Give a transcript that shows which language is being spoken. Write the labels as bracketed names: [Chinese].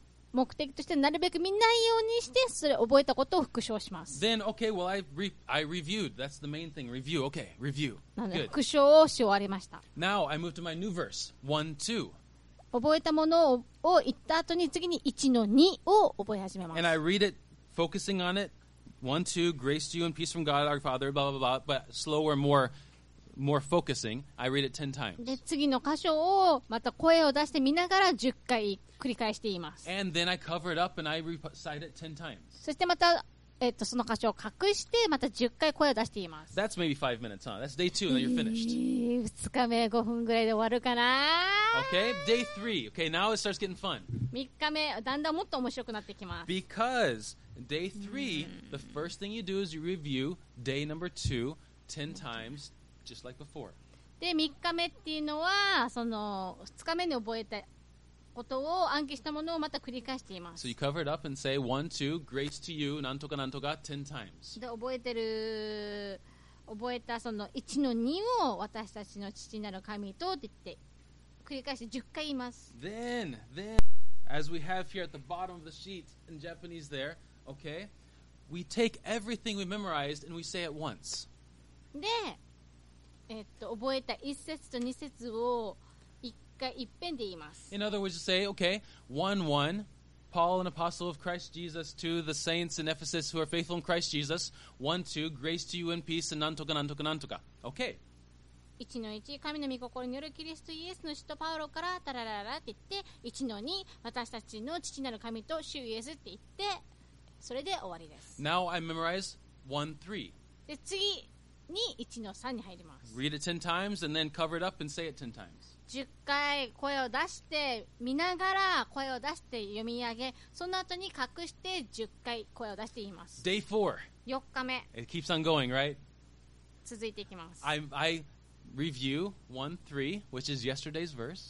[Japanese] 目的としてなるべく見ないようにしてそれ覚えたことを復唱します。 [English] Then okay, well I reviewed. That's the main thing. Review. Okay, review. [Japanese] なので復唱をし終わりました。 [English] Now I move to my new verse. 1-2 [Japanese] 覚えたものを言った後に次に1の2を覚え始めます。 [English] And I read it, focusing on it. 1-2, grace to you and peace from God our Father, blah, blah, blah. But slower, more focusing. I read it 10 times. [Japanese] で、次の箇所をまた声を出して見ながら10回繰り返しています。 [English] And then I cover it up and I recite it 10 times. [Japanese] そしてまた、その箇所を隠してまた10回声を出しています。 [English] That's maybe 5 minutes, huh? That's day 2, then you're finished. [Japanese] 2日目5分ぐらいで終わるかな。 [English] Okay, day 3. Okay, now it starts getting fun. [Japanese] 3日目、だんだんもっと面白くなってきます。 [English] Because day 3, the first thing you do is you review day number 2 10 times, just like before. [Japanese] で、3日目っていうのは、その2日目に覚えたことを暗記したものをまた繰り返しています。 [English] So you cover it up and say 1-2, grace to you, [Japanese] なんとかなんとか [English] 10 times. [Japanese] で、覚えてる…覚えたその1の2を私たちの父なる神とって言って繰り返して10回言います。 [English] Then, as we have here at the bottom of the sheet in Japanese there, okay, we take everything we memorized and we say it once. [Japanese] で、覚えた1節と2節を1回一遍で言います。 [English] In other words, you say, okay, 1-1, Paul, an apostle of Christ Jesus, to the saints in Ephesus who are faithful in Christ Jesus, 1-2, grace to you and peace, and [Japanese] なんとかなんとかなんとか。 [English] Okay. [Japanese] 1の1、神の御心によるキリストイエスの使徒パウロからタラララって言って、1の2、私たちの父なる神と主イエスって言って、それで終わりです。 [English] Now I memorize 1-3. [Japanese] で、次に1の3に入ります。 [English] Read it 10 times and then cover it up and say it 10 times. [Japanese] 10回声を出して、見ながら声を出して読み上げ、その後に隠して10回声を出して言います。 [English] Day 4. [Japanese] 4日目。 [English] It keeps on going, right? [Japanese] 続いていきます。 [English] I Review 1-3, which is yesterday's verse.